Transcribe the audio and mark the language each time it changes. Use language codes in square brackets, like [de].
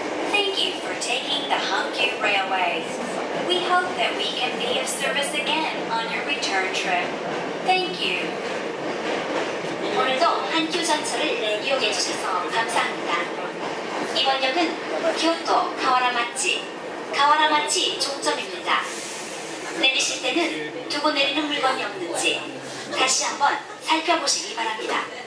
[en] Thank you for taking the Hankyu Railway. We hope that we can be of service again on your return trip. Thank you. [ko] 오늘도 한규 전철을 이용해 주셔서 감사합니다. 이번 역은 Kyoto Kawaramachi, Kawaramachi 종점입니다. 내리실 때는 두고 내리는 물건이 없는지 다시 한번 살펴보시기 바랍니다.